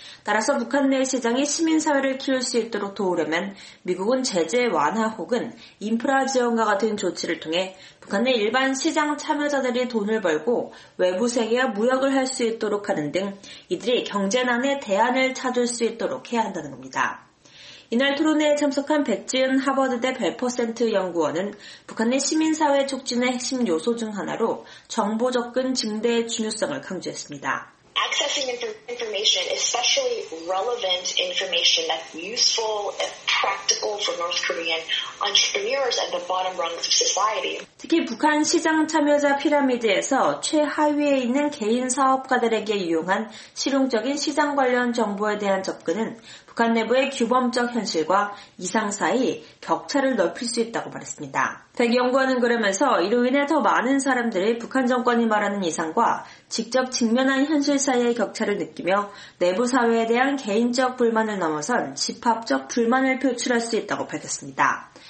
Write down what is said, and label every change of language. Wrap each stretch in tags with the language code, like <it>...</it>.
<ko>따라서 북한 내 시장이 시민사회를 키울 수 있도록 도우려면 미국은 제재 완화 혹은 인프라 지원과 같은 조치를 통해 북한 내 일반 시장 참여자들이 돈을 벌고 외부 세계와 무역을 할 수 있도록 하는 등 이들이 경제난의 대안을 찾을 수 있도록 해야 한다는 겁니다. 이날 토론회에 참석한 백지은 하버드대 벨퍼센트 연구원은 북한의 시민사회 촉진의 핵심 요소 중 하나로 정보 접근 증대의 중요성을 강조했습니다.</ko> <en>Accessing information, especially relevant information that's useful and practical for North Korean entrepreneurs and the bottom rungs of society.</en> <ko>특히 북한 시장 참여자 피라미드에서 최하위에 있는 개인 사업가들에게 유용한 실용적인 시장 관련 정보에 대한 접근은 북한 내부의 규범적 현실과 이상 사이 격차를 넓힐 수 있다고 말했습니다. 백 연구원은 그러면서 이로 인해 더 많은 사람들이 북한 정권이 말하는 이상과 직접 직면한 현실 사이의 격차를 느끼며 내부 사회에 대한 개인적 불만을 넘어선 집합적 불만을 표출할 수 있다고 밝혔습니다.</ko>